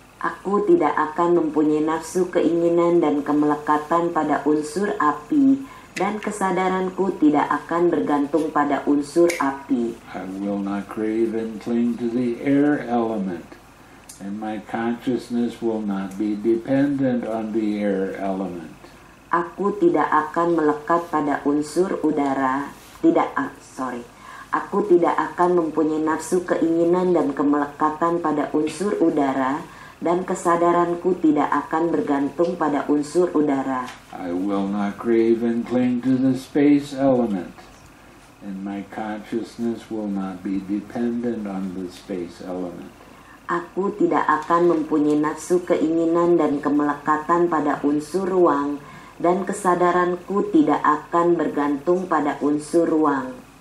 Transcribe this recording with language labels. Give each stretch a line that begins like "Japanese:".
Indonesian: Aku tidak akan mempunyai nafsu keinginan dan kemelekatan pada unsur api, dan kesadaranku tidak akan bergantung pada unsur api.
English: I will not crave and cling to the air element, and my consciousness will not be dependent on the air element.
Indonesian: Aku tidak akan melekat pada unsur udara, aku tidak akan mempunyai nafsu keinginan dan kemelekatan pada unsur udara, dan kesadaranku tidak akan bergantung pada unsur udara.
English: I will not crave and cling to the space element, and my consciousness will not be dependent on the space element.
Indonesian: Aku tidak akan mempunyai nafsu keinginan dan kemelekatan pada unsur ruang, dan kesadaranku tidak akan bergantung pada unsur ruang.